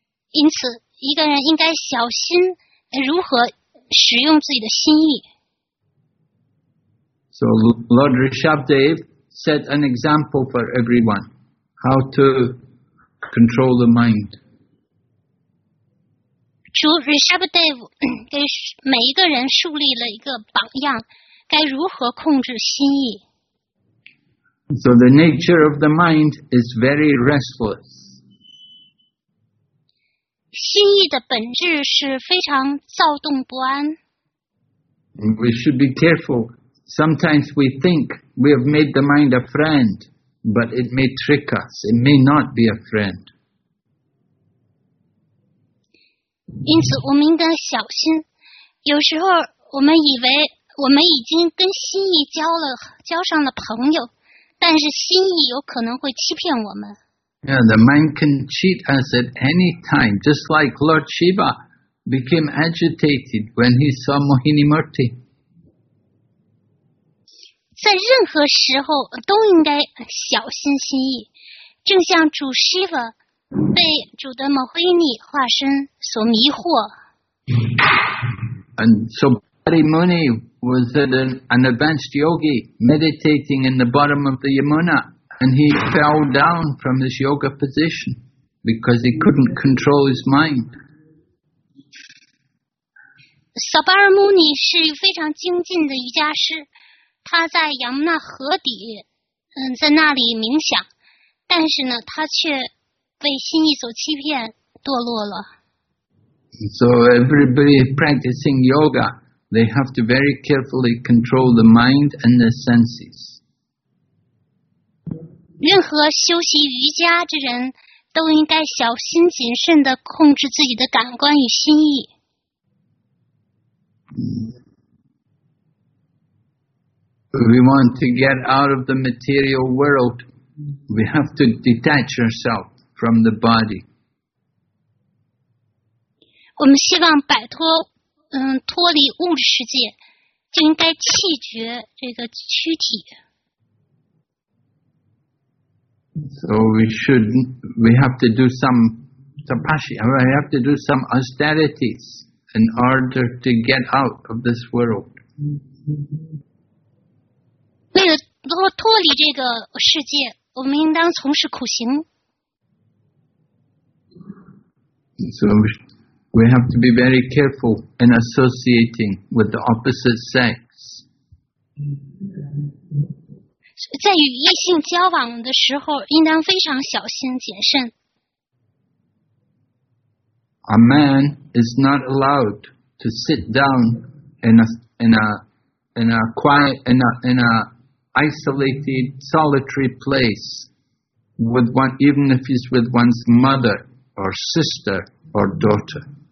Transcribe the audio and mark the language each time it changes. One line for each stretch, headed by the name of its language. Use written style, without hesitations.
Chinese: 因此，一个人应该小心如何使用自己的心意。
English: So, Lord Rishabhdev,set an example for everyone how to control the mind.
Chinese: 主 Rishabhdev 给每一个人树立了一个榜样，该如何控制心意。
English: So the nature of the mind is very restless.
Chinese: 心意的本质是非常躁动不安。
English: We should be careful. Sometimes we think,We have made the mind a friend, but it may trick us. It may not be a friend.
Chinese: 因此，我们应该小心。有时候，我们以为我们已经跟心意交上了朋友，但是心意有可能会欺骗我们。
English: Yeah, the mind can cheat us at any time, just like Lord Shiva became agitated when he saw Mohini Murti.
Chinese: 在任何时候都应该小心心意，正像主 Shiva 被主的 Mohini 化身所迷惑。
English: And so Parimuni was an advanced yogi meditating in the bottom of the Yamuna, and he fell down from his yoga position because he couldn't control his mind.
Chinese: Sabarimuni 是非常精进的瑜伽师。他在亚姆纳河底在那里冥想，但是呢，他却被心意所欺骗，堕落了。
English: So everybody practicing yoga, they have to very carefully control the mind and the senses.
Chinese: 任何修习瑜伽之人都应该小心谨慎地控制自己的感官与心意。
English: We want to get out of the material world. We have to detach ourselves from the body.
Chinese: 我们希望摆脱，脱离物质世界，就应该弃绝这个躯体。
English: So we should, we have to do some tapasya, we have to do some austerities in order to get out of this world.
Chinese: 为了脱离这个世界，我们应当从事苦行。
English: So we have to be very careful in associating with the opposite sex.
Chinese: 在与异性交往的时候，应当非常小心谨慎。
English: A man is not allowed to sit down in a isolated, solitary place with one, even if he's with one's mother or sister or daughter.